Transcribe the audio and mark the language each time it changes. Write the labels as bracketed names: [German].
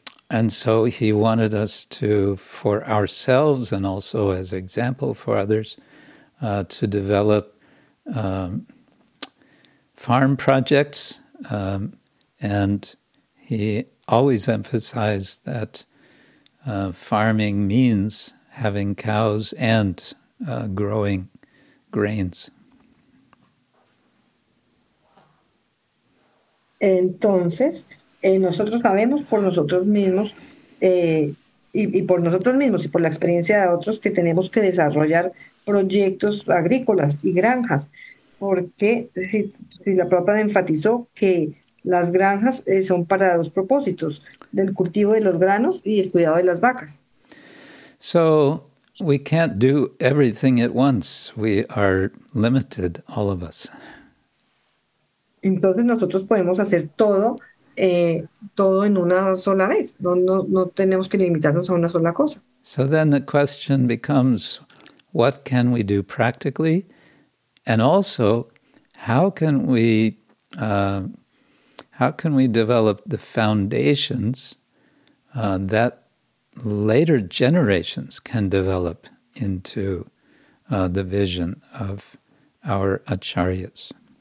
[English] And so he wanted us to, for ourselves and also as example for others, to develop farm projects. And he always emphasized that farming means having cows and growing grains. [Spanish] Entonces, nosotros sabemos por nosotros mismos y por nosotros mismos y por la experiencia de otros que tenemos que desarrollar proyectos agrícolas y granjas, porque si la Prabhupada enfatizó que las granjas son para dos propósitos, del cultivo de los granos y el cuidado de las vacas. [English] So We can't do everything at once. We are limited, all of us. [Spanish] Entonces nosotros podemos hacer todo, todo en una sola vez. No, no, no tenemos que limitarnos a una sola cosa. [English] So then the question becomes, what can we do practically? And also, how can we develop the foundations that later generations can develop into the vision of our acharyas?